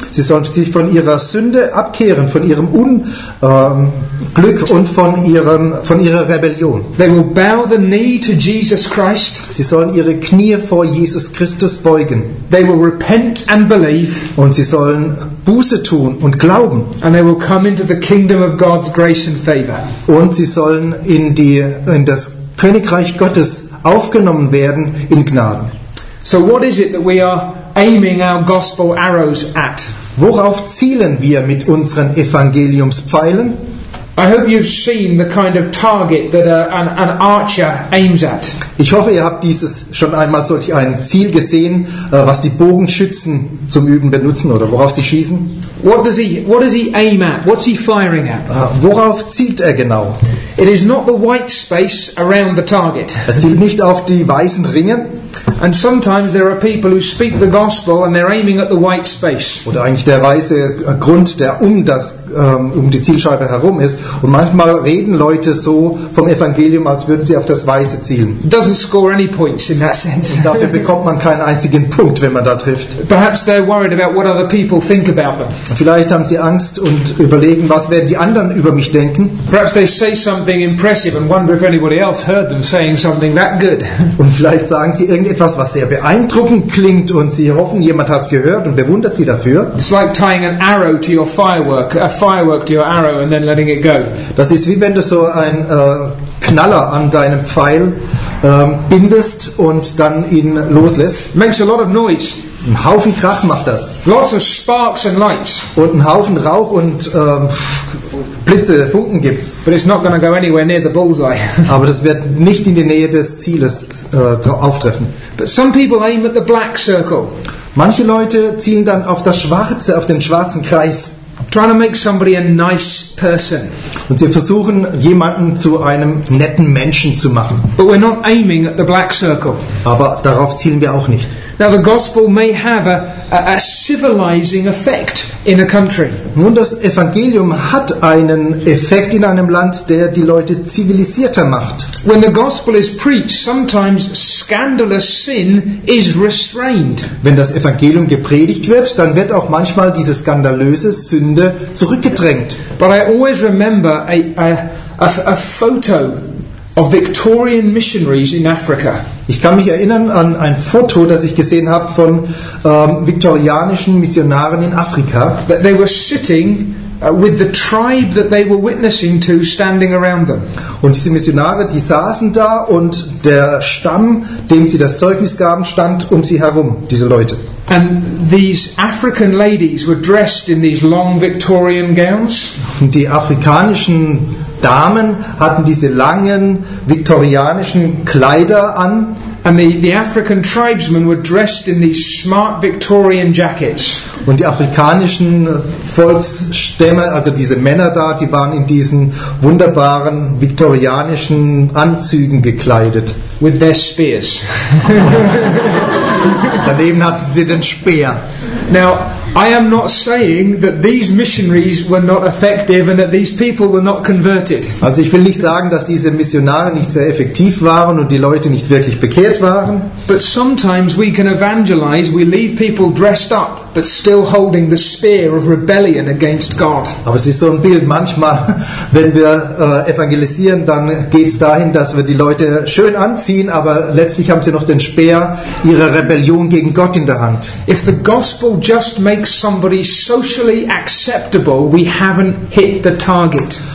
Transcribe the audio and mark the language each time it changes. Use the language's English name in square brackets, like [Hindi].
[German] Sie sollen sich von ihrer Sünde abkehren, von ihrem Unglück und von ihrer Rebellion. [English] They will bow the knee to Jesus Christ. [German] Sie sollen ihre Knie vor Jesus Christus beugen. [English] They will repent and believe. [German] Und sie sollen Buße tun und glauben. [English] And they will come into the kingdom of God's grace and favor. [German] Und sie sollen in das Königreich Gottes aufgenommen werden in Gnaden. [English] So what is it that we are aiming our gospel arrows at? [German] Worauf zielen wir mit unseren Evangeliumspfeilen? [English] I hope you've seen the kind of target that an archer aims at. [German] Ich hoffe, ihr habt dieses schon einmal solch ein Ziel gesehen, was die Bogenschützen zum Üben benutzen oder worauf sie schießen. [English] What does he aim at? What's he firing at? [German] Worauf zielt er genau? [English] It is not the white space around the target. [German] Er zielt nicht auf die weißen Ringe. [English] And sometimes there are people who speak the gospel and they're aiming at the white space. [German] Oder eigentlich der weiße Grund, der um die Zielscheibe herum ist, Und manchmal reden Leute so vom Evangelium, als würden sie auf das Weiße zielen. [English] Doesn't score any points in that sense. [German] Und dafür bekommt man keinen einzigen Punkt, wenn man da trifft. [English] Perhaps they're worried about what other people think about them. [German] Vielleicht haben sie Angst und überlegen, was werden die anderen über mich denken. [English] Perhaps they say something impressive and wonder if anybody else heard them saying something that good. [German] Und vielleicht sagen sie irgendetwas, was sehr beeindruckend klingt, und sie hoffen, jemand hat es gehört und bewundert sie dafür. [English] It's like tying an arrow to your firework, a firework to your arrow, and then letting it go. [German] Das ist wie wenn du so ein Knaller an deinem Pfeil bindest und dann ihn loslässt. [English] Makes a lot of noise. [German] Ein Haufen Krach macht das. [English] Lots of sparks and lights. [German] Und ein Haufen Rauch und Blitze, Funken gibt's. [English] But it's not gonna go anywhere near the bullseye. [German] Aber das wird nicht in die Nähe des Zieles auftreffen. [English] But some people aim at the black circle. [German] Manche Leute zielen dann auf das Schwarze, auf den schwarzen Kreis. [English] Trying to make somebody a nice person. [German] Und sie versuchen, jemanden zu einem netten Menschen zu machen. [English] But we're not aiming at the black circle. [German] Aber darauf zielen wir auch nicht. [English] Now the gospel may have a civilizing effect in a country. [German] Nun, das Evangelium hat einen Effekt in einem Land, der die Leute zivilisierter macht. [English] When the gospel is preached, sometimes scandalous sin is restrained. [German] Wenn das Evangelium gepredigt wird, dann wird auch manchmal diese skandalöse Sünde zurückgedrängt. [English] But I always remember a photo of Victorian missionaries in Africa. [German] Ich kann mich erinnern an ein Foto, das ich gesehen habe von viktorianischen Missionaren in Afrika. [English] That they were sitting with the tribe that they were witnessing to standing around them. [German] Und diese Missionare, die saßen da und der Stamm, dem sie das Zeugnis gaben, stand um sie herum, diese Leute. [English] And these African ladies were dressed in these long Victorian gowns. [German] Und die afrikanischen Damen hatten diese langen viktorianischen Kleider an. [English] And the African tribesmen were dressed in these smart Victorian jackets. [German] Und die afrikanischen Volksstämme, also diese Männer da, die waren in diesen wunderbaren viktorianischen Anzügen gekleidet. [English] With their spears. [German] Daneben hatten sie den Speer. [English] Now, I am not saying that these missionaries were not effective and that these people were not converted. [German] Also ich will nicht sagen, dass diese Missionare nicht sehr effektiv waren und die Leute nicht wirklich bekehrt waren. [English] But sometimes we can evangelize, we leave people dressed up but still holding the spear of rebellion against God. [German] Aber es ist so ein Bild, manchmal, wenn wir evangelisieren, dann geht es dahin, dass wir die Leute schön anziehen, aber letztlich haben sie noch den Speer ihrer Rebellion gegen Gott in der Hand. [English] If the gospel just make somebody socially acceptable, we haven't hit the target.